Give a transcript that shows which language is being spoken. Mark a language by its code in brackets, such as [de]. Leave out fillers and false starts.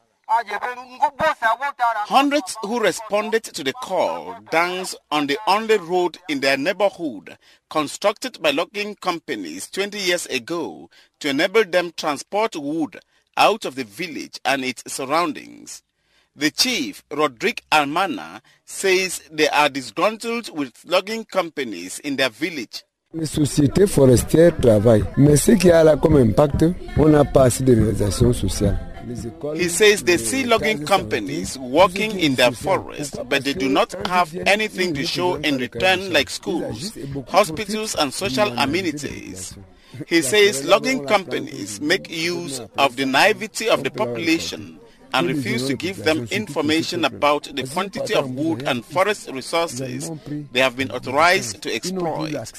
[en] Hundreds who responded to the call dance on the only road in their neighborhood constructed by logging companies 20 years ago to enable them transport wood out of the village and its surroundings. The chief, Roderick Almana, says they are disgruntled with logging companies in their village. [fr] Les sociétés forestières travaillent, mais ce qui a là comme impact, on n'a pas assez de réalisation sociale. [en] He says they see logging companies working in their forest, but they do not have anything to show in return like schools, hospitals and social amenities. He says logging companies make use of the naivety of the population and refuse to give them information about the quantity of wood and forest resources they have been authorized to exploit.